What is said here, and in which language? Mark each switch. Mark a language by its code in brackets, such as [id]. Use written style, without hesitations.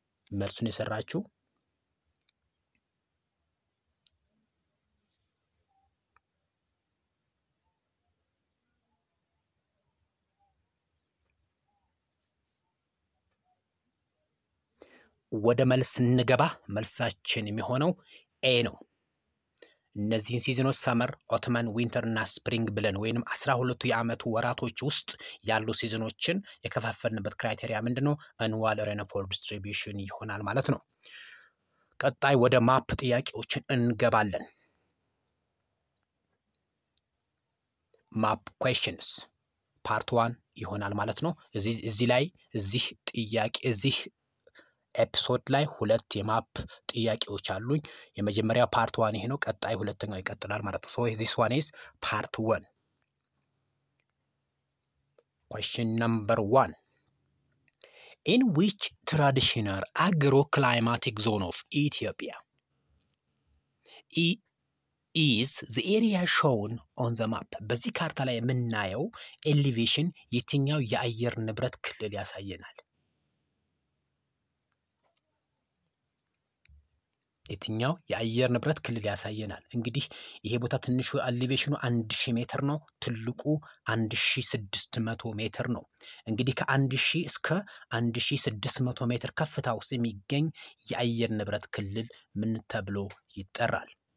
[am] መልሱን የሰራችሁ ወደ መልስ እንገባ መልሳችን የሚሆነው ኤ ነው። እነዚህን ሲዝኖች ሰመር፣ ኦቶመን፣ ዊንተር እና ስፕሪንግ ብለን ወይንም 12ቱ የዓመቱ ወራቶች ውስጥ ያሉ ሲዝኖችን የከፋፈልንበት ክራይቴሪያ ምንድን ነው? አንዋል ሬነፎል ዲስትሪቢሽን ይሆናል ማለት ነው። ቀጣይ ወደ ማፕ ጥያቄዎችን እንገባለን። ማፕ ኩዌስችንስ [en] part 1 [am] ይሆናል ማለት ነው እዚ ላይ እዚ ጥያቄ እዚ ኤፒሶድ ላይ ሁለት የማፕ ጥያቄዎች አሉኝ የመጀመሪያ part 1 ይሄ ነው ቀጣይ ሁለተኛው ይቀጥላል ማለት ነው [en] so this one is part 1 question number 1 In which traditional agroclimatic zone of Ethiopia is the area shown on the map? [am] በዚ ካርታ ላይ የምናየው elevation የትኛው የአየር ንብረት ክልል ያሳየናል? የትኛው የአየር ንብረት ክልል ያሳየናል? እንግዲህ ይሄ ቦታ ትንሹ elevationው 1000 ሜትር ነው ትልቁ 1600 ሜትር ነው እንግዲህ ከ1000 እስከ 1600 ሜትር ከፍታ ውስጥ የሚገኝ የአየር ንብረት ክልል ምን ተብሎ ይጠራል?